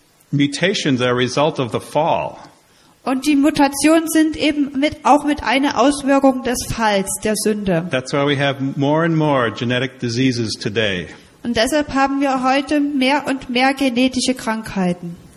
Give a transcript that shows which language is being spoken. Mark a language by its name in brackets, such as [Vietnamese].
[English] Mutations are a result of the fall. [German] Und die Mutationen sind eben auch mit einer Auswirkung des Falls, der Sünde. [English] That's why we have more and more genetic diseases today. [German] Und deshalb haben wir heute mehr und mehr genetische Krankheiten.